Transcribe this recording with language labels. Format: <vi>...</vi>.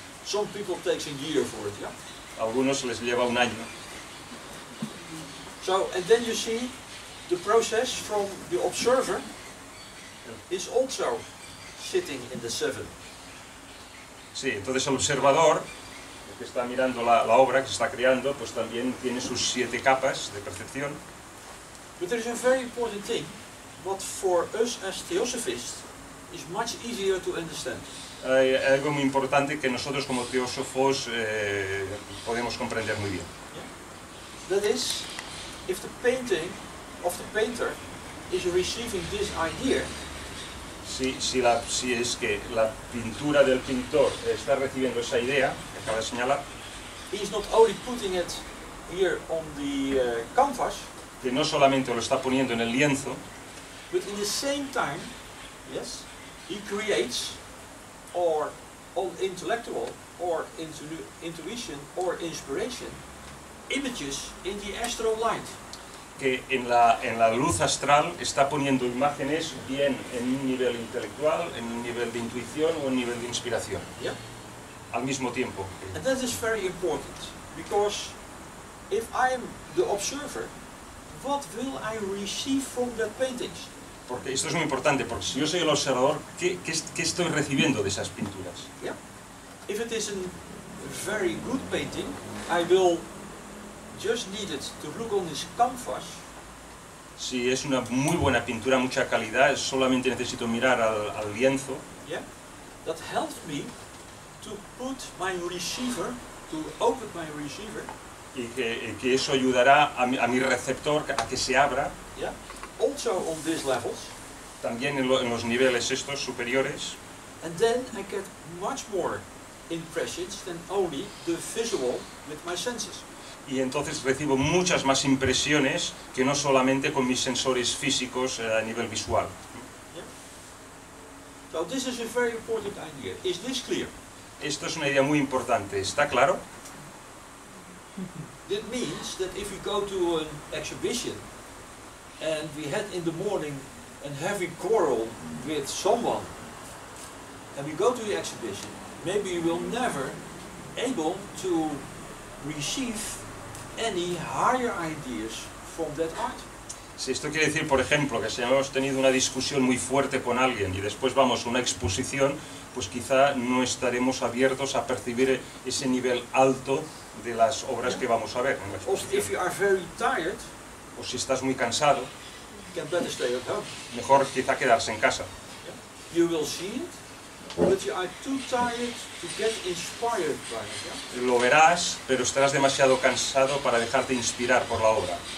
<en>Some people takes a year for it, yeah.</en> <es>Algunos les lleva un año.</es> <en>So, and then you see. The process from the observer is also sitting in the seven.</en> <es>Sí, entonces el observador que está mirando la obra que está creando, pues también tiene sus siete capas de percepción.</es> <en>But there is a very important thing, what for us as theosophists is much easier to understand.</en> <es>Hay algo muy importante que nosotros como teósofos podemos comprender muy bien.</es> <en>Yeah. That is, if the painting of the painter is receiving this idea.</en> <es>Si es que la pintura del pintor está recibiendo esa idea que acaba de señalar.</es> <en>He is not only putting it here on the canvas.</en> <es>que no solamente lo está poniendo en el lienzo,</es> <en>but in the same time, yes, he creates or on intellectual or intuition or inspiration images in the astral light.</en> <es>Que en la luz astral está poniendo imágenes bien en un nivel intelectual, en un nivel de intuición o en un nivel de inspiración.</es> <en>Yeah.</en> <es>Al mismo tiempo.</es> <en>And that is very important because if I am the observer, what will I receive from that painting?</en> <es>Porque esto es muy importante, porque si yo soy el observador, ¿qué estoy recibiendo de esas pinturas?</es> <en>Yeah. If it is a very good painting, I will just need it to look on this canvas.</en> <es>Si es una muy buena pintura, mucha calidad, solamente necesito mirar al lienzo.</es> <en>Yeah. That helps me to put my receiver, to open my receiver.</en> <es>Y que eso ayudará a mi receptor a que se abra.</es> <en>Yeah. Also on these levels.</en> <es>También en los niveles estos superiores.</es> <en>And then I get much more impressions than only the visual with my senses.</en> <es>Y entonces recibo muchas más impresiones que no solamente con mis sensores físicos a nivel visual.</es> <en>Yeah. So this is a very important idea. Is this clear?</en> <es>Esto es una idea muy importante. ¿Está claro?</es> <en>That means that if we go to an exhibition and we had in the morning a heavy quarrel with someone and we go to the exhibition, maybe we will never able to receive any higher ideas from that art.</en> <es>Si esto quiere decir, por ejemplo, que si hemos tenido una discusión muy fuerte con alguien y después vamos a una exposición, pues quizá no estaremos abiertos a percibir ese nivel alto de las obras, yeah, que vamos a ver.</es> <en>Or if you are very tired,</en> <es>o si estás muy cansado,</es> <en>can better stay at home.</en> <es>Mejor quizá quedarse en casa.</es> <en>Yeah. You will see it, but you are too tired to get inspired by it. Yeah?</en> <es>Lo verás, pero estarás demasiado cansado para dejarte inspirar por la obra.</es>